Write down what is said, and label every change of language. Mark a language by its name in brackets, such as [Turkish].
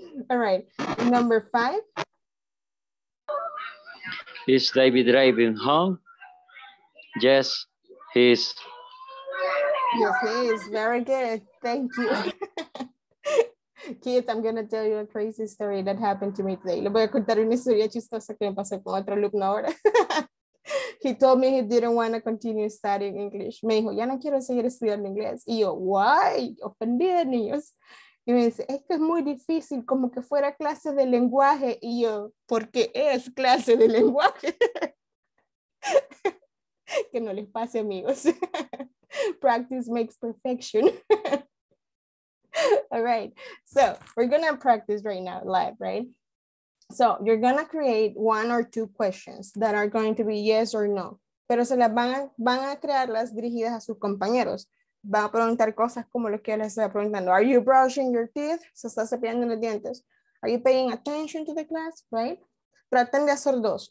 [English] All right. Number 5. Is David driving home? Yes, he is. Yes, he is. Very good. Thank you. Kids, I'm going to tell you a crazy story that happened to me today. [Spanish] Le voy a contar una historia chistosa que me pasó con otro alumno ahora. [English] He told me he didn't want to continue studying English. [Spanish] Me dijo, ya no quiero seguir estudiando inglés. Y yo, [English] why? [Spanish] Ofendida, niños. Y me dice, es que es muy difícil, como que fuera clase de lenguaje. Y yo, ¿por qué es clase de lenguaje? Que no les pase, amigos. [English] Practice makes perfection. All right. So, we're going to practice right now, live, right? So, you're going to create 1 or 2 questions that are going to be yes or no. [Spanish] Pero se las van a crearlas dirigidas a sus compañeros. Van a preguntar cosas como lo que les está preguntando. [English] Are you brushing your teeth? [Spanish] ¿Se está cepillando los dientes? [English] Are you paying attention to the class? Right? [Spanish] Traten de hacer 2.